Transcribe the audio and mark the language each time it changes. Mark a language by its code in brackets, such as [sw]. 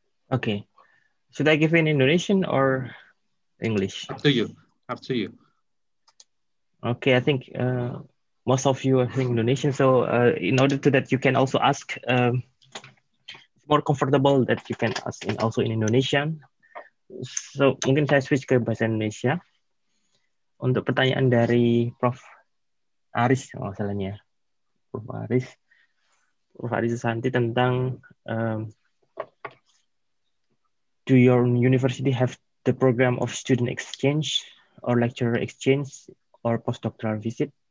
[en] Okay. Should I give in Indonesian or English? Up to you. Up to you. Okay, I think most of you are Indonesian, so in order to that, you can also ask. It's more comfortable that you can ask in also in Indonesian. [id] So mungkin saya switch ke bahasa Indonesia. Untuk pertanyaan dari Prof. Aris, masalahnya. Prof. Aris. Prof. [en] Aris Susanti tentang do your university have the program of student exchange or lecturer exchange or postdoctoral visit?